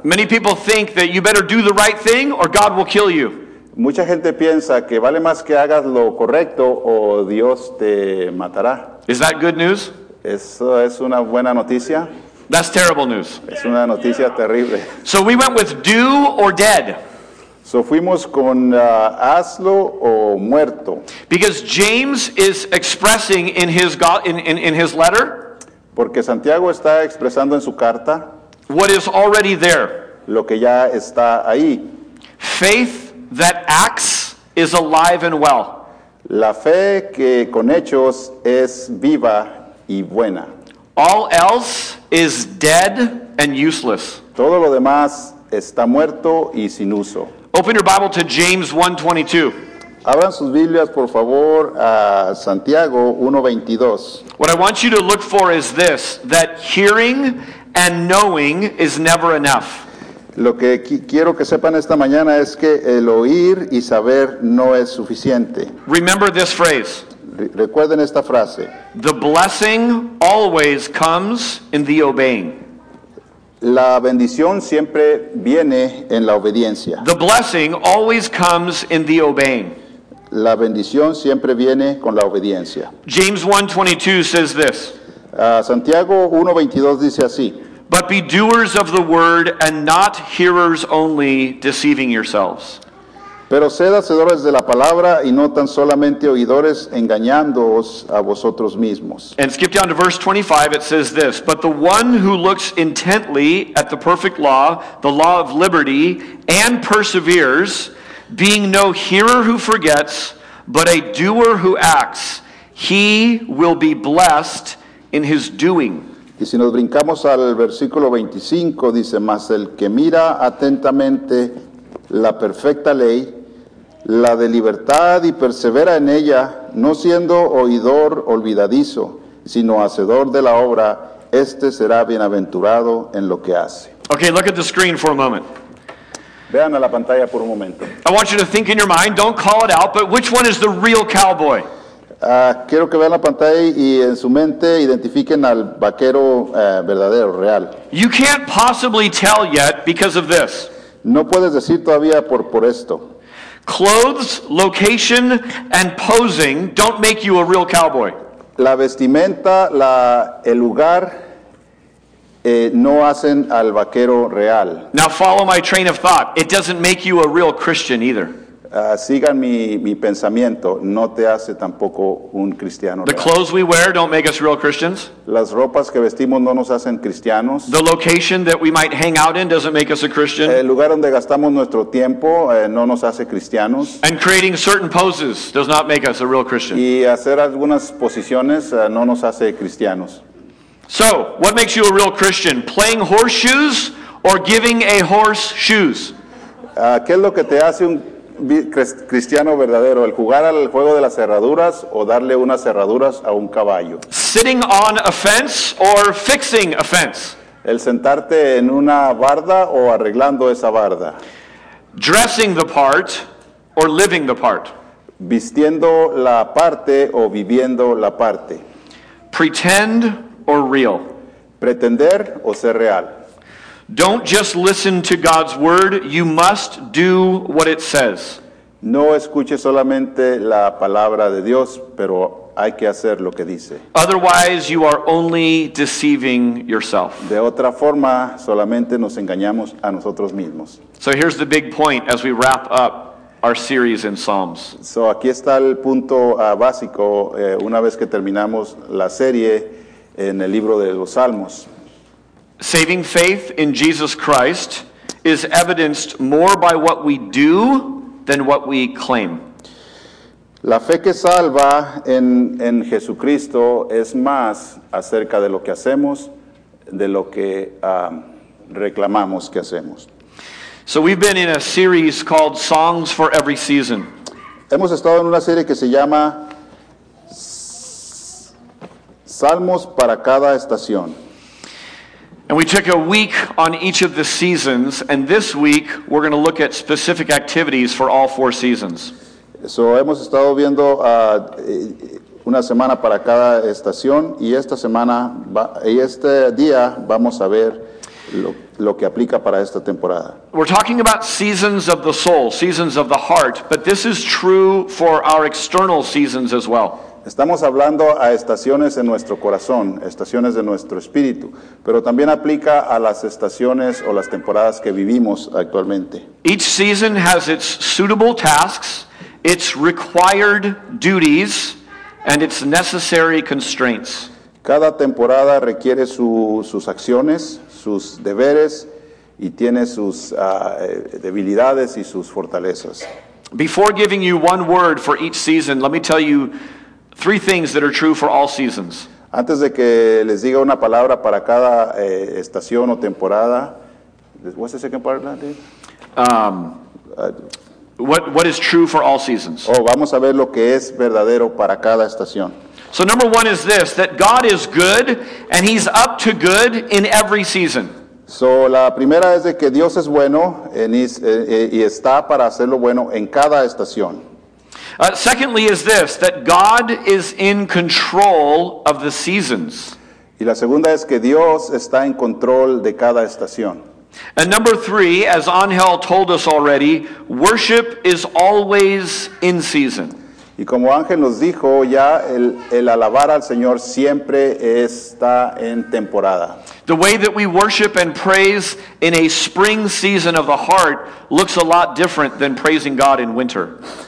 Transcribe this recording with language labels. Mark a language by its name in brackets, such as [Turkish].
[English] Many people think that you better do the right thing or God will kill you. [Spanish] Mucha gente piensa que vale más que hagas lo correcto o Dios te matará. [English] Is that good news? [Spanish] Eso es una buena noticia. [English] That's terrible news. [Spanish] Es una noticia terrible. [English] So we went with do or dead. [Spanish] So fuimos con hazlo o muerto. [English] Because James is expressing in his his letter. [Spanish] Porque Santiago está expresando en su carta. [English] What is already there. [Spanish] Lo que ya está ahí. [English] Faith that acts is alive and well. [Spanish] La fe que con hechos es viva y buena. [English] All else is dead and useless. [Spanish] Todo lo demás está muerto y sin uso. [English] Open your Bible to James 1:22. [Spanish] Abran sus Biblias, por favor, a Santiago 1:22. [English] What I want you to look for is this, that hearing and knowing is never enough. [Spanish] Lo que quiero que sepan esta mañana es que el oír y saber no es suficiente. [English] Remember this phrase. [Spanish] Recuerden esta frase. [English] The blessing always comes in the obeying. [Spanish] La bendición siempre viene en la obediencia. [English] The blessing always comes in the obeying. [Spanish] La bendición siempre viene con la obediencia. [English] James 1:22 says this. [Spanish] Santiago 1:22 dice así. [English] But be doers of the word and not hearers only, deceiving yourselves. [Spanish] Pero sed hacedores de la palabra y no tan solamente oidores, engañándoos a vosotros mismos. [English] And skip down to verse 25, it says this. But the one who looks intently at the perfect law, the law of liberty, and perseveres, being no hearer who forgets, but a doer who acts, he will be blessed in his doing. [Spanish] Y si nos brincamos al versículo 25, dice, mas el que mira atentamente la perfecta ley, la de libertad, y persevera en ella, no siendo oidor olvidadizo, sino hacedor de la obra, este será bienaventurado en lo que hace. [English] Okay, look at the screen for a moment. [Spanish] Vean a la pantalla por un momento. [English] I want you to think in your mind, don't call it out, but which one is the real cowboy? [Spanish] Quiero que vean la pantalla y en su mente identifiquen al vaquero verdadero, real. [English] You can't possibly tell yet because of this. [Spanish] No puedes decir todavía por esto. [English] Clothes, location, and posing don't make you a real cowboy. [Spanish] La vestimenta, el lugar, no hacen al vaquero real. [English] Now follow my train of thought. It doesn't make you a real Christian either. [Spanish] Sigan mi pensamiento. No te hace tampoco un cristiano. [English] The clothes we wear don't make us real Christians. [Spanish] Las ropas que vestimos no nos hacen cristianos. [English] The location that we might hang out in doesn't make us a Christian. [Spanish] El lugar donde gastamos nuestro tiempo no nos hace cristianos. [English] And creating certain poses does not make us a real Christian. [Spanish] Y hacer algunas posiciones no nos hace cristianos. [English] So, what makes you a real Christian? Playing horseshoes or giving a horse shoes? [Spanish] ¿Qué es lo que te hace un cristiano verdadero, el jugar al juego de las cerraduras o darle unas cerraduras a un caballo? [English] Sitting on a fence or fixing a fence. [Spanish] El sentarte en una barda o arreglando esa barda. [English] Dressing the part or living the part. [Spanish] Vistiendo la parte o viviendo la parte. [English] Pretend or real. [Spanish] Pretender o ser real. [English] Don't just listen to God's word, you must do what it says. [Spanish] No escuche solamente la palabra de Dios, pero hay que hacer lo que dice. [English] Otherwise, you are only deceiving yourself. [Spanish] De otra forma, solamente nos engañamos a nosotros mismos. [English] So here's the big point as we wrap up our series in Psalms. [Spanish] So aquí está el punto básico una vez que terminamos la serie en el libro de los Salmos. [English] Saving faith in Jesus Christ is evidenced more by what we do than what we claim. [Spanish] La fe que salva en Jesucristo es más acerca de lo que hacemos, de lo que reclamamos que hacemos. [English] So we've been in a series called Songs for Every Season. [Spanish] Hemos estado en una serie que se llama Salmos para cada estación. [English] And we took a week on each of the seasons, and this week we're going to look at specific activities for all four seasons. [Spanish] So hemos estado viendo una semana para cada estación, y esta semana y este día vamos a ver lo que aplica para esta temporada. [English] We're talking about seasons of the soul, seasons of the heart, but this is true for our external seasons as well. [Spanish] Estamos hablando a estaciones en nuestro corazón, estaciones de nuestro espíritu, pero también aplica a las estaciones o las temporadas que vivimos actualmente. [English] Each season has its suitable tasks, its required duties, and its necessary constraints. [Spanish] Cada temporada requiere sus acciones, sus deberes, y tiene sus debilidades y sus fortalezas. [English] Before giving you one word for each season, let me tell you three things that are true for all seasons. [Spanish] Antes de que les diga una palabra para cada estación o temporada, [English] what's the second part, Dave? What is true for all seasons? [Spanish] Oh, vamos a ver lo que es verdadero para cada estación. [English] So number one is this, that God is good and he's up to good in every season. [Spanish] So la primera es de que Dios es bueno y está para hacerlo bueno en cada estación. [English] Secondly is this, that God is in control of the seasons. [Spanish] Y la segunda es que Dios está en control de cada estación. [English] And number three, as Angel told us already, worship is always in season. [Spanish] Y como Ángel nos dijo, ya el alabar al Señor siempre está en temporada. [English] The way that we worship and praise in a spring season of the heart looks a lot different than praising God in winter.